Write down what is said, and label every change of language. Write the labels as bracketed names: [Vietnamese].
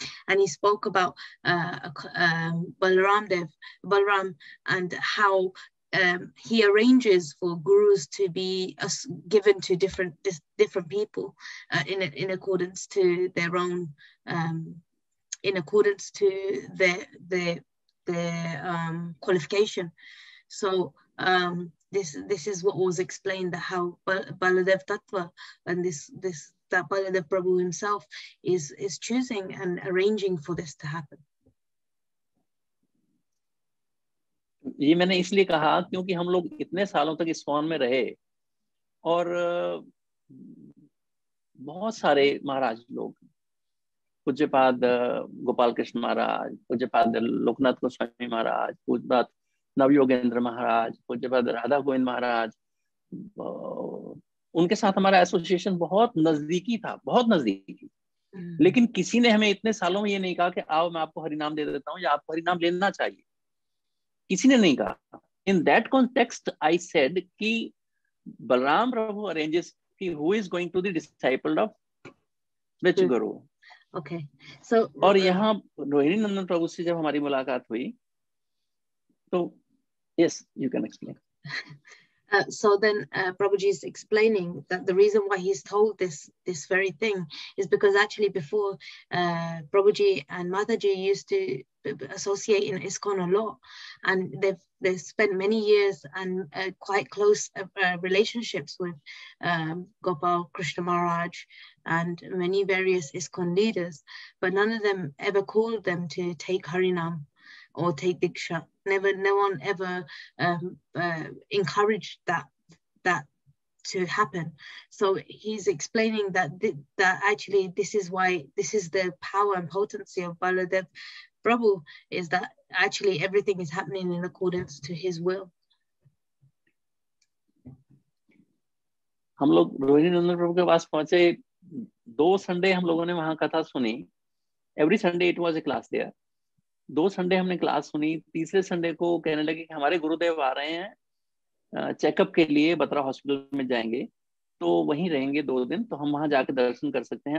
[English] And he spoke about Balaram and how he arranges for gurus to be given to different people in accordance to their own in accordance to their qualification. So this is what was explained, that how Baladev Tattva and this that Baladev Prabhu himself is choosing and arranging for this to happen. [Hindi] ये मैंने इसलिए कहा क्योंकि हम लोग इतने सालों तक इस्कॉन में रहे और बहुत सारे महाराज लोग, पूज्यपाद गोपाल कृष्ण महाराज, पूज्यपाद लोकनाथ गोस्वामी महाराज, पूज्यपाद नव योगेंद्र महाराज, पूज्यपाद राधा गोविंद महाराज, उनके साथ हमारा एसोसिएशन बहुत नजदीकी था, बहुत नजदीकी. लेकिन किसी ने हमें इतने सालों में ये नहीं कहा कि आओ मैं आपको हरिनाम दे देता हूँ या आपको हरिनाम लेना चाहिए, किसी ने नहीं कहा. [English] In that context I said कि Balram Prabhu arranges कि who is going to the disciple of which guru. Okay so [Hindi] और यहाँ रोहिणी नंदन प्रभु से जब हमारी मुलाकात हुई तो [English] Yes you can explain. So then Prabhuji is explaining that the reason why he's told this very thing is because actually before Prabhuji and Mataji used to associate in ISKCON a lot, and they've spent many years and quite close relationships with Gopal Krishna Maharaj and many various ISKCON leaders, but none of them ever called them to take Harinam or take Diksha. Never, no one ever encouraged that to happen. So he's explaining that actually this is why, this is the power and potency of Baladev Prabhu, is that actually everything is happening in accordance to his will. [Hindi] हम लोग रोहिणी नंदन प्रभु के पास पहुंचे, दो Sunday हम लोगों ने वहां कथा सुनी. [English] Every Sunday it was a class there. [Hindi] दो संडे हमने क्लास सुनी, तीसरे संडे को कहने लगे कि हमारे गुरुदेव आ रहे हैं चेकअप के लिए, बत्रा हॉस्पिटल में जाएंगे तो वहीं रहेंगे दो दिन, तो हम वहां जाके दर्शन कर सकते हैं.